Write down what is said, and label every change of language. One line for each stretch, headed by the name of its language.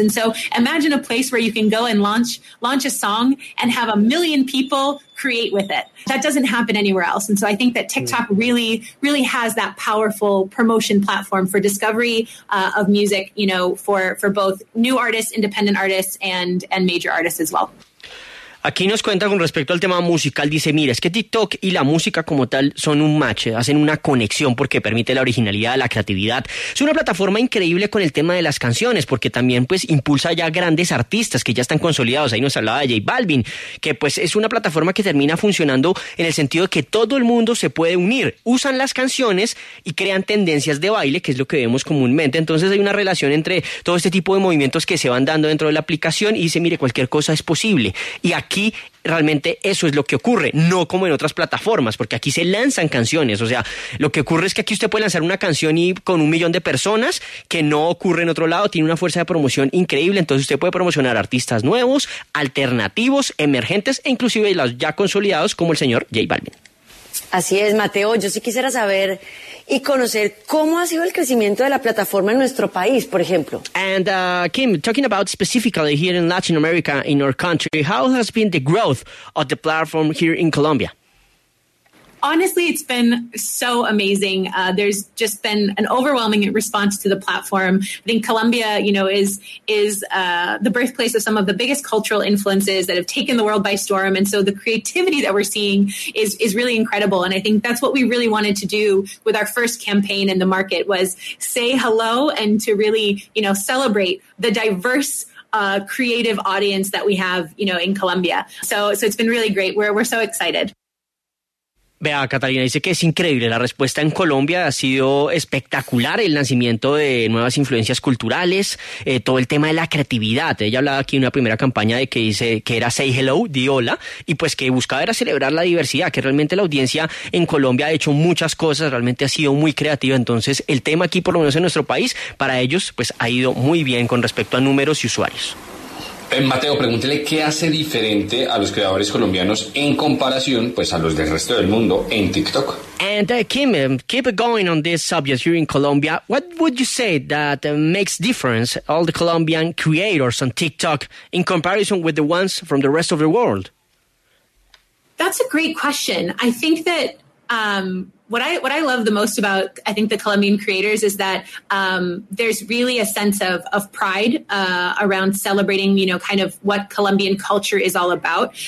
English: And so imagine a place where you can go and launch a song and have a million people create with it. That doesn't happen anywhere else. And so I think that TikTok really, really has that powerful promotion platform for discovery of music, you know, for both new artists, independent artists, and major artists as well.
Spanish: Aquí nos cuenta con respecto al tema musical, dice, mira, es que TikTok y la música como tal son un match, hacen una conexión porque permite la originalidad, la creatividad. Es una plataforma increíble con el tema de las canciones, porque también pues impulsa ya grandes artistas que ya están consolidados. Ahí nos hablaba de J Balvin, que pues es una plataforma que termina funcionando en el sentido de que todo el mundo se puede unir. Usan las canciones y crean tendencias de baile, que es lo que vemos comúnmente. Entonces hay una relación entre todo este tipo de movimientos que se van dando dentro de la aplicación y dice, mire, cualquier cosa es posible. Y aquí realmente eso es lo que ocurre, no como en otras plataformas, porque aquí se lanzan canciones. O sea, lo que ocurre es que aquí usted puede lanzar una canción y con 1 millón de personas, que no ocurre en otro lado, tiene una fuerza de promoción increíble. Entonces usted puede promocionar artistas nuevos, alternativos, emergentes e inclusive los ya consolidados como el señor J Balvin. Así es, Mateo. Yo sí quisiera saber y conocer cómo ha sido el crecimiento de la plataforma en nuestro país, por ejemplo.
English: And Kim, talking about specifically here in Latin America, in our country, how has been the growth of the platform here in Colombia? Honestly, it's been so amazing. There's just been an overwhelming response to the platform. I think Colombia, you know, is the birthplace of some of the biggest cultural influences that have taken the world by storm. And so the creativity that we're seeing is really incredible. And I think that's what we really wanted to do with our first campaign in the market, was say hello and to really, you know, celebrate the diverse creative audience that we have, you know, in Colombia. So it's been really great. We're so excited.
Spanish: Vea, Catalina dice que es increíble la respuesta en Colombia, ha sido espectacular el lanzamiento de nuevas influencias culturales, todo el tema de la creatividad. Ella hablaba aquí de una primera campaña de que dice que era Say Hello, di hola, y pues que buscaba era celebrar la diversidad, que realmente la audiencia en Colombia ha hecho muchas cosas, realmente ha sido muy creativa. Entonces el tema aquí, por lo menos en nuestro país, para ellos pues ha ido muy bien con respecto a números y usuarios. Mateo, pregúntele qué hace diferente a los creadores colombianos en comparación, pues, a los del resto del mundo en TikTok.
English: And Kim, keep going on this subject here in Colombia. What would you say that makes difference all the Colombian creators on TikTok in comparison with the ones from the rest of the world? That's a great question. I think that what I love the most about, I think, the Colombian creators is that there's really a sense of pride around celebrating, you know, kind of what Colombian culture is all about.